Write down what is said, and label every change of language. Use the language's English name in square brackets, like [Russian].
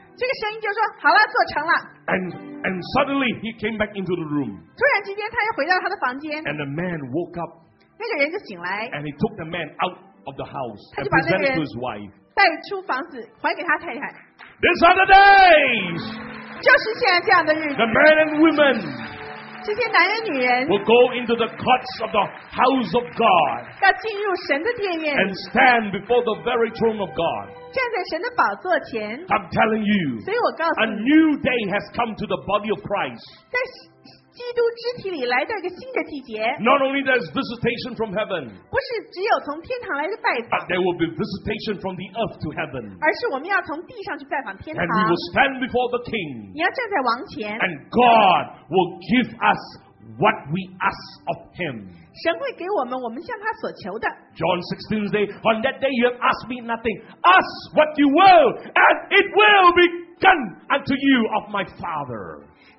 [Chinese] 这个声音就说, 好了, 做成了。 [English] And suddenly he came back into the room. And the man woke up. And he took the man out of the house and presented to his wife. [Chinese] 带出房子,还给他太太。 [English] These are the days. [Chinese] 就是现在这样的日子, [English] the men and women, [Chinese] 这些男人女人, [English] will go into the courts of the house of God, [Chinese] 要进入神的殿面, [English] and stand before the very throne of God. [Chinese] 站在神的宝座前, [English] I'm telling you, [Chinese] 所以我告诉你, [English] a new day has come to the body of Christ. [Chinese] 基督肢体里来到一个新的季节, [English] not only there's visitation from heaven, [Chinese] 不是只有从天堂来的拜访, [English] but there will be visitation from the earth to heaven. [Chinese] 而是我们要从地上去拜访天堂, [English] and we will stand before the king, [Chinese] 你要站在王前, [English] and God will give us what we ask of him. [Chinese] 神会给我们, 我们向他所求的, [English] John 16 says, on that day you have asked me nothing, ask what you will and it will be done unto you of my Father.